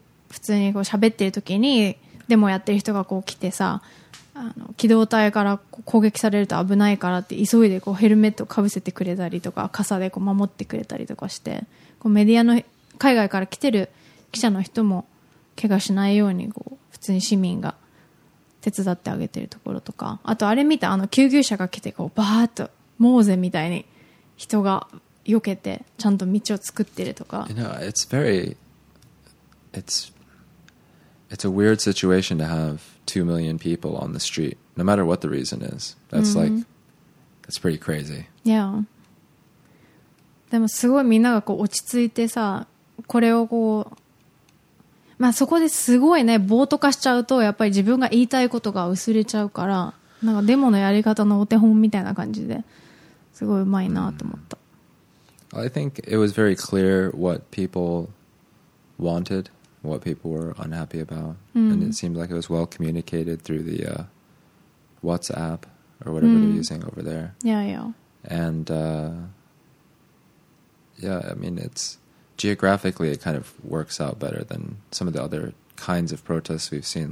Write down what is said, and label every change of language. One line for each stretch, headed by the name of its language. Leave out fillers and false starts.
Japanese: 普通にこう喋ってる時にデモやってる人がこう来てさ、あの機動隊から攻撃されると危ないからって急いでこうヘルメットをかぶせてくれたりとか傘でこう守ってくれたりとかして、こうメディアの海外から来てる記者の人も怪我しないようにこう普通に市民が手伝ってあげてるところとか、あとあれ見た、あの救急車が来てこうバーッとモーゼみたいに人が避けてちゃんと道を作ってるとか。
English: You know, it's very it's a weird situation to have 2 million people on the street, no matter what the reason is. That's、mm-hmm. like, that's pretty crazy. Yeah.
Japanese: でもすごいみんながこう落ち着いてさ、これをこう、まあそこですごいね、暴徒化しちゃうと、やっぱり自分が言いたいことが薄れちゃうから、なんかデモのやり方のお手本みたいな感じで、すごいうまいなと思った。 Mm-hmm.
English: I think it was very clear what people wanted. What people were unhappy about、 mm. and it seemed like it was well communicated through the、WhatsApp or whatever、mm. they're using over there. Yeah, yeah. And、yeah, I mean, it's geographically it kind of works out better than some of the other kinds of protests we've seen.